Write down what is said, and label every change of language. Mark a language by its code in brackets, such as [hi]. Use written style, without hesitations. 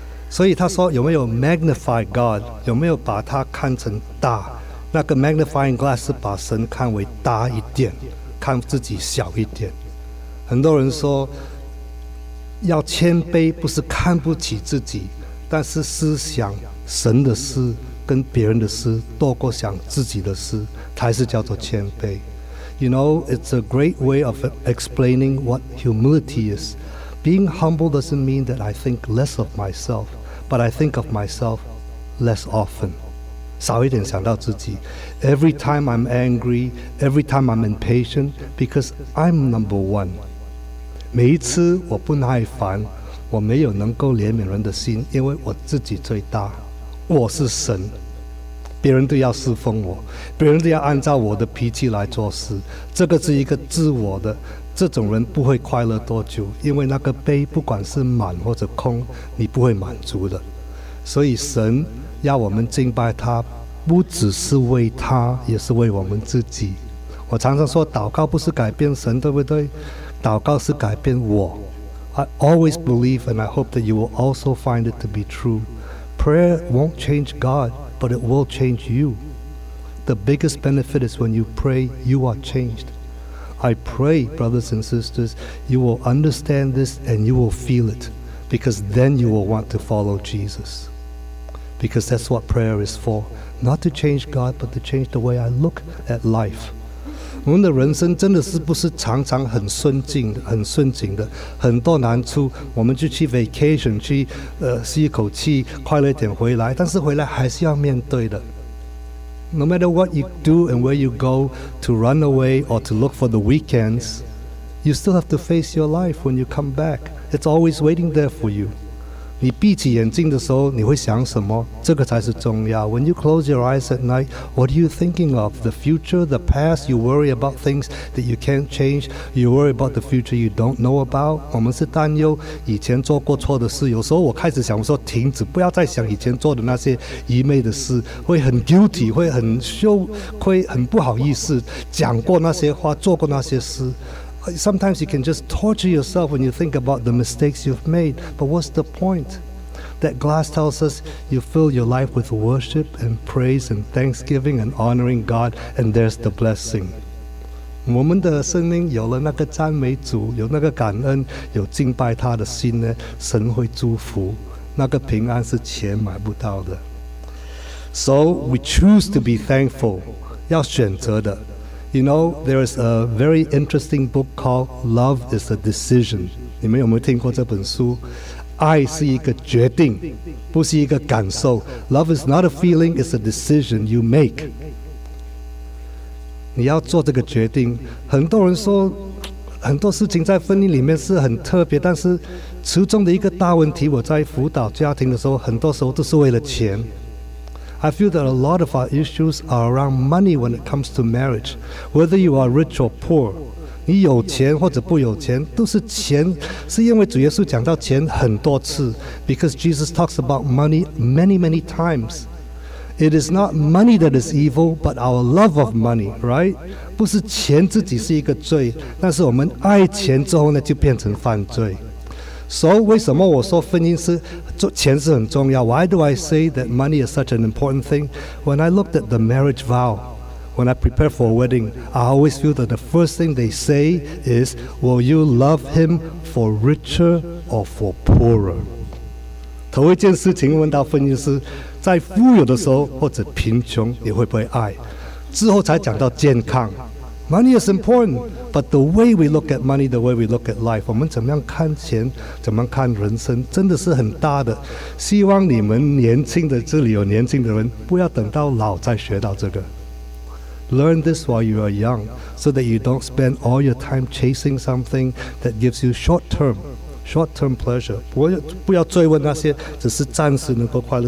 [zh] 所以他说有没有 [en] magnify God， [zh] 有没有把他看成大，那个 [en] magnifying glass [zh] 是把神看为大一点，看自己小一点。很多人说要谦卑，不是看不起自己，但是思想神的事，跟别人的事多过想自己的事，才是叫做谦卑。 [en] You know, it's a great way of explaining what humility is. Being humble doesn't mean that I think less of myself, but I think of myself less often. [zh] 少一点想到自己。 [en] Every time I'm angry, every time I'm impatient, because I'm number one. [zh] 每一次我不耐烦，我没有能够怜悯人的心，因为我自己最大。我是神，别人都要侍奉我，别人都要按照我的脾气来做事。这个是一个自我的，这种人不会快乐多久，因为那个杯不管是满或者空，你不会满足的。所以神要我们敬拜他，不只是为他，也是为我们自己。我常常说，祷告不是改变神，对不对？祷告是改变我。 [en] I always believe, and I hope that you will also find it to be true. Prayer won't change God, but it will change you. The biggest benefit is when you pray, you are changed. I pray, brothers and sisters, you will understand this and you will feel it, because then you will want to follow Jesus. Because that's what prayer is for. Not to change God, but to change the way I look at life. [zh] 我们的人生真的是不是常常很顺境的，很顺境的，很多难处，我们就去 vacation 去，吸一口气，快乐一点回来，但是回来还是要面对的。 [en] No matter what you do and where you go to run away or to look for the weekends, you still have to face your life when you come back. It's always waiting there for you. [zh] 你闭起眼睛的时候，你会想什么？这个才是重要。 [en] When you close your eyes at night, what are you thinking of? The future, the past, you worry about things that you can't change. You worry about the future you don't know about. [zh] 我们是担忧以前做过错的事。有时候我开始想，我说停止，不要再想以前做的那些愚昧的事，会很 guilty, 会很羞愧，很不好意思，讲过那些话，做过那些事。 [en] Sometimes you can just torture yourself when you think about the mistakes you've made. But what's the point? That glass tells us you fill your life with worship and praise and thanksgiving and honoring God, and there's the blessing. [zh] 我们的生命有了那个赞美主，有那个感恩，有敬拜他的心呢，神会祝福，那个平安是钱买不到的。 [en] So we choose to be thankful, [zh] 要选择的。 [en] You know, there is a very interesting book called Love is a Decision. [zh] 你们有没有听过这本书？爱是一个决定，不是一个感受。 [en] Love is not a feeling, it's a decision you make. [zh] 你要做这个决定。很多人说，很多事情在婚姻里面是很特别，但是其中的一个大问题，我在辅导家庭的时候，很多时候都是为了钱。 [en] I feel that a lot of our issues are around money when it comes to marriage. Whether you are rich or poor, [zh] 你有钱或者不有钱，都是钱，是因为主耶稣讲到钱很多次。 [en] Because Jesus talks about money many, many times. It is not money that is evil, but our love of money, right? [zh] 不是钱自己是一个罪，但是我们爱钱之后呢，就变成犯罪。 So, 为什么我说婚姻是钱是很重要？ [en] Why do I say that money is such an important thing? When I looked at the marriage vow, when I prepare for a wedding, I always feel that the first thing they say is, will you love him for richer or for poorer? [zh] 头一件事情问到婚姻是，在富有的时候或者贫穷，你会不会爱？之后才讲到健康。 [en] Money is important, but the way we look at money, the way we look at life, [zh] 我们怎么样看钱，怎么看人生，真的是很大的。希望你们年轻的，这里有年轻的人，不要等到老再学到这个。 [en] Learn this while you are young, so that you don't spend all your time chasing something that gives you short-term pleasure. [zh] 不要追问那些只是暂时能够快乐。